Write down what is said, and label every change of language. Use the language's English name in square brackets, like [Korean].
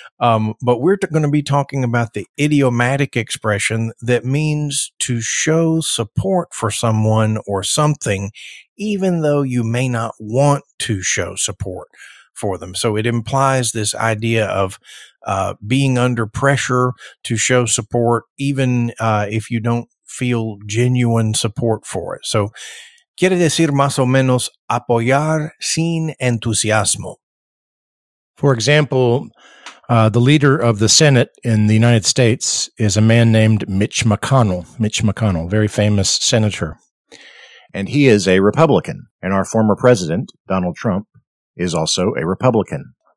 [English] But we're going to be talking about the idiomatic expression that means to show support for someone or something, even though you may not want to show support for them. So it implies this idea of being under pressure to show support, even if you don't feel genuine support for it. [Spanish] So, quiere decir más o menos apoyar sin entusiasmo. [English] For example, the leader of the Senate in the United States is a man named Mitch McConnell. Mitch McConnell, very famous senator. And he is a Republican. And our former president, Donald Trump, is also a Republican.